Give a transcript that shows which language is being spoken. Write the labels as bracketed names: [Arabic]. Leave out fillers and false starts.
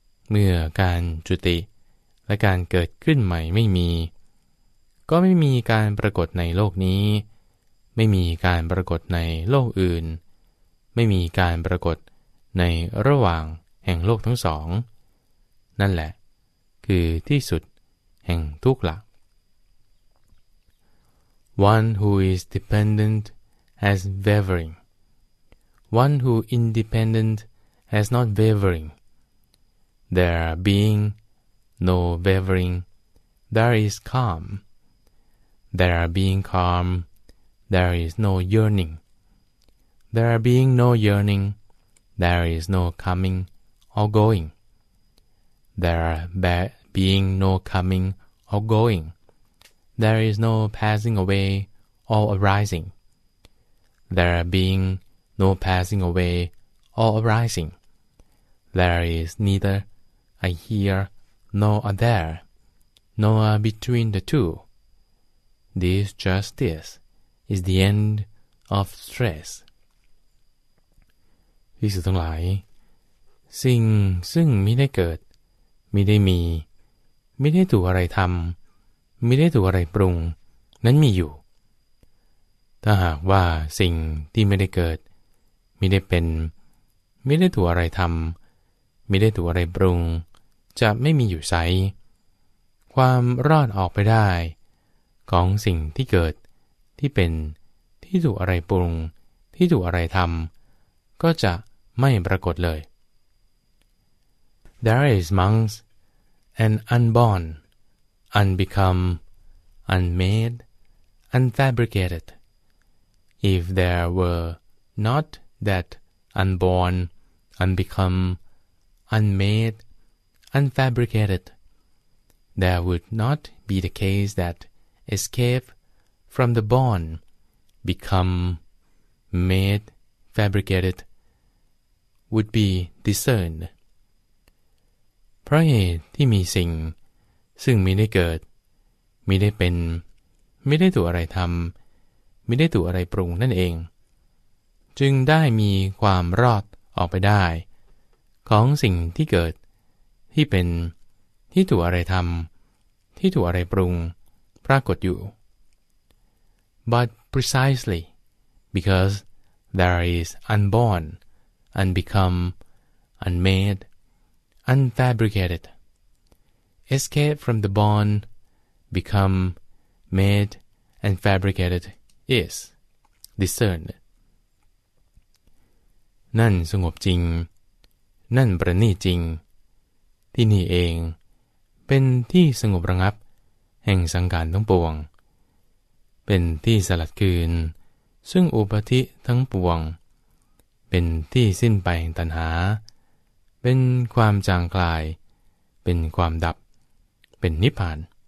[Thai] เมื่อการจุติและการเกิดขึ้นใหม่ไม่มีก็ไม่มีการปรากฏในโลกนี้ไม่มีการปรากฏในโลกอื่นไม่มีการปรากฏในระหว่างแห่งโลกทั้งสองนั่นแหละคือที่สุดแห่งทุกข์ละ [English] One who is dependent as wavering One who independent as not wavering There being no wavering There is calmThere being calm, there is no yearning. there being no yearning, there is no coming or going. There being no coming or going, there is no passing away or arising. There being no passing away or arising, there is neither a here nor a there, nor a between the two. This justice is the end of stress. [Thai] ภิกษุทั้งหลายสิ่งซึ่งไม่ได้เกิดไม่ได้มีไม่ได้ถูกอะไรทำไม่ได้ถูกอะไรปรุงนั้นมีอยู่ ถ้าหากว่าสิ่งที่ไม่ได้เกิดไม่ได้เป็นไม่ได้ถูกอะไรทำไม่ได้ถูกอะไรปรุงจะไม่มีอยู่ใสความรอดออกไปได้ของสิ่งที่เกิดที่เป็นที่ถูกอะไรปรุงที่ถูกอะไรทำก็จะไม่ปรากฏเลย [English] There is monks and unborn, unbecome, unmade, unfabricated. If there were not that unborn, unbecome, unmade, unfabricated, there would not be the case that escape from the born, become, made, fabricated,would be discerned. [Thai] เพราะเหตุที่มีสิ่งซึ่งไม่ได้เกิดไม่ได้เป็นไม่ได้ถูกอะไรทำไม่ได้ถูกอะไรปรุงนั่นเองจึงได้มีความรอดออกไปได้ของสิ่งที่เกิดที่เป็นที่ถูกอะไรทำที่ถูกอะไรปรุงปรากฏอยู่ [English] But precisely because there is unbornUnbecome, unmade, unfabricated. Escape from the born, become, made, and fabricated is discerned. [Thai] นั่นสงบจริงนั่นประณีตจริงที่นี่เองเป็นที่สงบระงับแห่งสังขารทั้งปวงเป็นที่สลัดคืนซึ่งอุปาทิทั้งปวงเป็นที่สิ้นไปแห่งตัณหาเป็นความจางคลายเป็นความดับเป็นนิพพาน